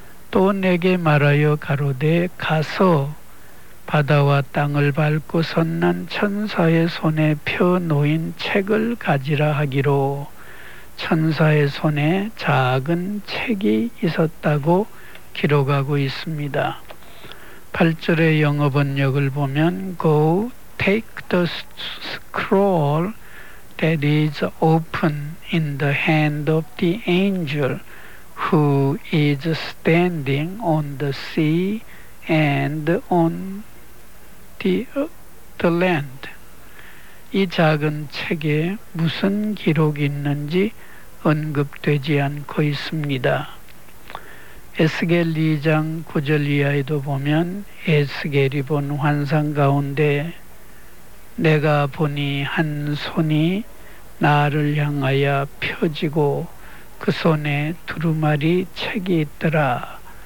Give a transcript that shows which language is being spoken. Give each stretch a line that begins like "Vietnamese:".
Korean: 또 내게 말하여 가로되 가서 바다와 땅을 밟고 섰는 천사의 손에 펴 놓인 책을 가지라 하기로 천사의 손에 작은 책이 있었다고 기록하고 있습니다. 8절의 영어 번역을 보면
English: Go take the scroll that is open in the hand of the angel who is standing on the sea and on the land.
Korean: 이 작은 책에 무슨 기록이 있는지 언급되지 않고 있습니다. 에스겔 2장 9절 이하에도 보면 에스겔이 본 환상 가운데 내가 보니 한 손이 나를 향하여 펴지고 그 손에 두루마리 책이 있더라.